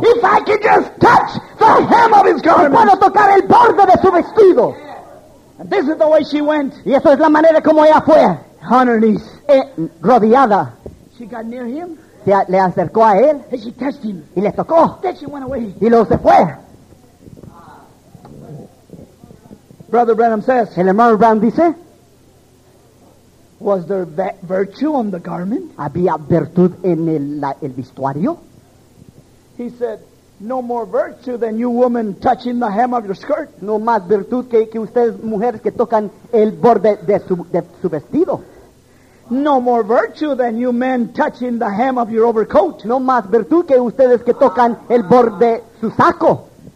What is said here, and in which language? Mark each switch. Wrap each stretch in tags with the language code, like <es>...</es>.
<en>If I could just touch the hem of his garment.</en> <es>Si puedo tocar el borde de su vestido.</es> <en>And this is the way she went.</en> <es>Y esa es la manera como ella fue.</es> <en>On her knees.</en> <es>Rodeada.</es> <en>She got near him.</en> <es>Le acercó a él.</es> <en>And she touched him.</en> <es>Y le tocó.</es> <en>Then she went away.</en> <es>Y luego se fue.</es> <en>Brother Branham says.</en> <es>El hermano Branham dice.</es> <en>Was there virtue on the garment?</en> <es>¿Había virtud en el vestuario?</es> <en>He said, no more virtue than you women touching the hem of your skirt.</en> <es>No más virtud que ustedes mujeres que tocan el borde de su vestido.</es> <en>No more virtue than you men touching the hem of your overcoat.</en> <es>No más virtud que ustedes que tocan el borde de su saco.</es>